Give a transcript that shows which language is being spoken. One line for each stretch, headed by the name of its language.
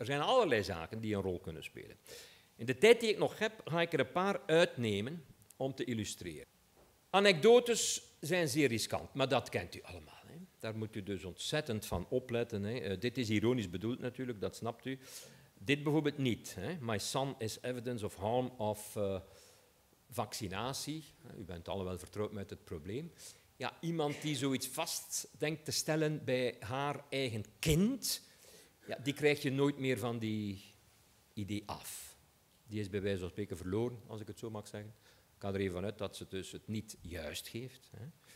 Dutch: Er zijn allerlei zaken die een rol kunnen spelen. In de tijd die ik nog heb, ga ik er een paar uitnemen om te illustreren. Anekdotes zijn zeer riskant, maar dat kent u allemaal. Hè. Daar moet u dus ontzettend van opletten. Hè. Dit is ironisch bedoeld natuurlijk, dat snapt u. Dit bijvoorbeeld niet. Hè.
English: My son is evidence of harm of vaccinatie.
Dutch: U bent allemaal wel vertrouwd met het probleem. Ja, iemand die zoiets vast denkt te stellen bij haar eigen kind, ja, die krijg je nooit meer van die idee af. Die is bij wijze van spreken verloren, als ik het zo mag zeggen. Ik ga er even vanuit dat ze dus het niet juist geeft. Hè.